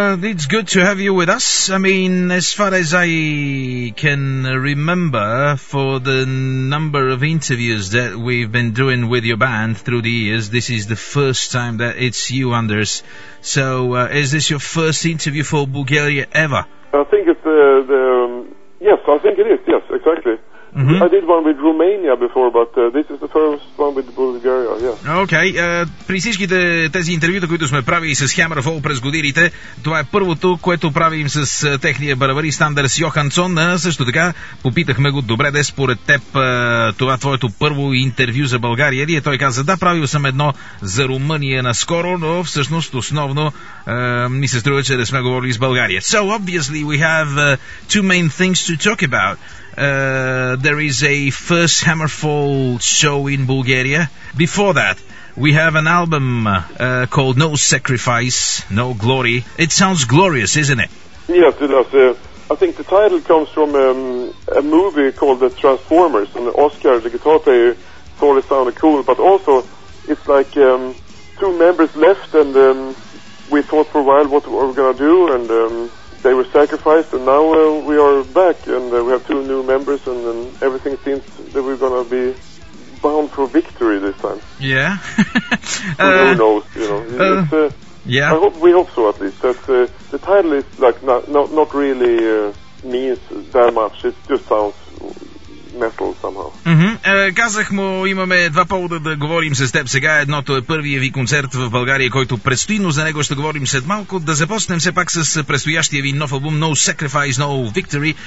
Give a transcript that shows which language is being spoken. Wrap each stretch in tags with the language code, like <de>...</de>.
<en>It's good to have you with us. I mean, as far as I can remember, for the number of interviews that we've been doing with your band through the years, this is the first time that it's you, Anders. So, is this your first interview for Bulgaria ever? I think it's yes, I think it is, yes, exactly. Mm-hmm. I did one with Romania before, but this is the first one with Bulgaria, yeah.</en> <bg>Okay, при всичките тези интервюта, които сме правили с Hammerfall през годините, това е първото, което правим с техния барабарист Андерс Йохансон. Също така, попитахме го, добре де, според теб, това твоето първо интервю за България ли е? Той каза, да, правил съм едно за Румъния наскоро, но всъщност основно ми се струва, че не сме говорили с България.</bg> <en>So, obviously, we have two main things to talk about. There is a first Hammerfall show in Bulgaria. Before that, we have an album called No Sacrifice, No Glory. It sounds glorious, isn't it? Yes, it does. I think the title comes from a movie called The Transformers, and Oscar, the guitar player, thought it sounded cool, but also it's like two members left, and we thought for a while what we're gonna do, and they were sacrificed, and now we are back, and we have two new members, and everything seems that we're gonna be bound for victory this time. Yeah. Who knows, you know. Yeah. We hope so, at least. That the title is like not really means that much. It just sounds metal somehow.</en> <bg>Mm-hmm. Казах му, имаме два повода да говорим с теб сега. Едното е първия ви концерт в България, който предстои, но за него ще говорим след малко. Да започнем все пак с предстоящия ви нов албум No Sacrifice, No Victory.</bg>